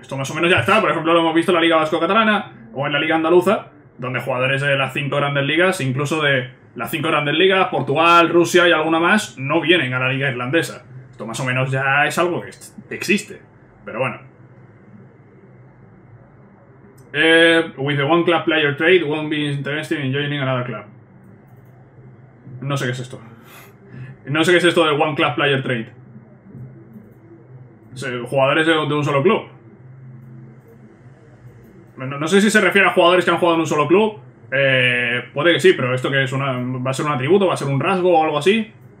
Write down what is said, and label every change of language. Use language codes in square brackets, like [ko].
[es] Por ejemplo, lo hemos visto en la Liga Vasco-Catalana o en la Liga Andaluza, donde jugadores de las cinco grandes ligas, incluso de las cinco grandes ligas, Portugal, Rusia y alguna más, no vienen a la Liga Irlandesa. Esto más o menos ya es algo que existe, pero bueno. [en] With the one club player trade, won't be interested in joining another club. [es] No sé qué es esto. No sé qué es esto de one club player trade. Jugadores de un solo club. No sé si se refiere a jugadores que han jugado en un solo club. Puede que sí, pero esto que es una. ¿Va a ser un atributo? ¿Va a ser un rasgo o algo así?